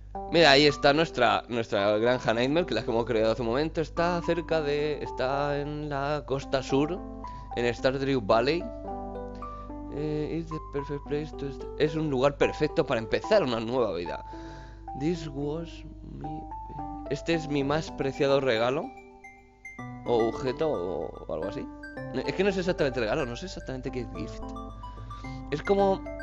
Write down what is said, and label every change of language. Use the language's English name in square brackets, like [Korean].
[Spanish] Mira, ahí está nuestra granja Nightmare, que la que hemos creado hace un momento. Está en la costa sur, en Stardew Valley. [English] It's the perfect place to start. [Spanish] Es un lugar perfecto para empezar una nueva vida. This was my... Este es mi más preciado regalo. O objeto, o algo así. Es que no sé exactamente regalo, no sé exactamente qué es gift. Es como...